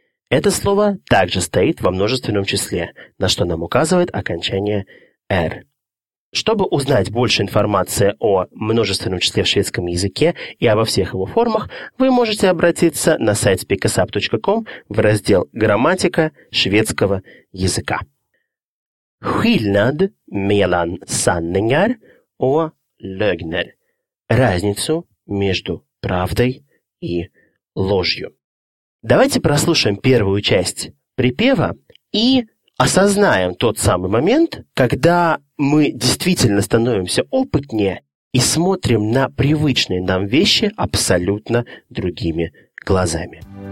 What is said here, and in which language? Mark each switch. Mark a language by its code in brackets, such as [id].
[ru] Это слово также стоит во множественном числе, на что нам указывает окончание «р». Чтобы узнать больше информации о множественном числе в шведском языке и обо всех его формах, вы можете обратиться на сайт speakusup.com в раздел «Грамматика шведского языка». [sv] Skillnad mellan sanningar och lögner. [ru] Разницу между правдой и ложью. Давайте прослушаем первую часть припева и осознаем тот самый момент, когда мы действительно становимся опытнее и смотрим на привычные нам вещи абсолютно другими глазами.